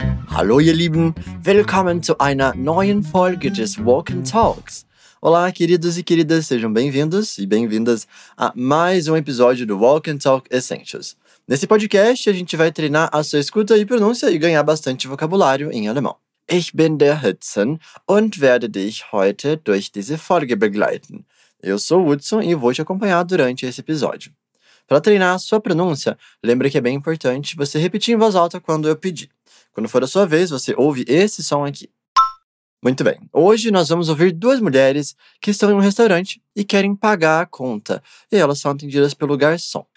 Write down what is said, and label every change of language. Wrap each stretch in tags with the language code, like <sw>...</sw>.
<de>Hallo ihr Lieben, willkommen zu einer neuen Folge des Walk and Talks.</de> <pt>Olá, queridos e queridas, sejam bem-vindos e bem-vindas a mais um episódio do Walk and Talk Essentials. Nesse podcast, a gente vai treinar a sua escuta e pronúncia e ganhar bastante vocabulário em alemão.</pt> <de>Ich bin der Hudson und werde dich heute durch diese Folge begleiten.</de> <pt>Eu sou o Hudson e vou te acompanhar durante esse episódio. Para treinar a sua pronúncia, lembre que é bem importante você repetir em voz alta quando eu pedir. Quando for a sua vez, você ouve esse som aqui. Muito bem, hoje nós vamos ouvir duas mulheres que estão em um restaurante e querem pagar a conta, e elas são atendidas pelo garçom.</pt>